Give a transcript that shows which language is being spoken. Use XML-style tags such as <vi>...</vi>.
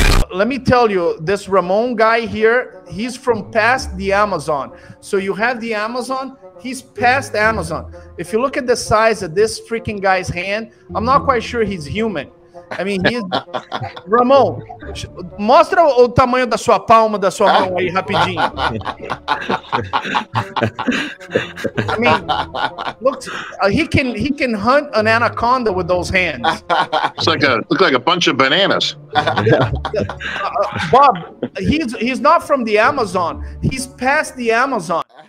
<en>let me tell you, this Ramon guy here, he's from past the Amazon. So you have the Amazon, he's past Amazon. If you look at the size of this freaking guy's hand, I'm not quite sure he's human. I mean, he's...</en> <pt>Ramon, mostra o tamanho da sua palma, da sua mão aí, rapidinho.</pt> <en>I mean, look, he can hunt an anaconda with those hands. It's like a, look like a bunch of bananas. Bob, he's not from the Amazon. He's past the Amazon.</en>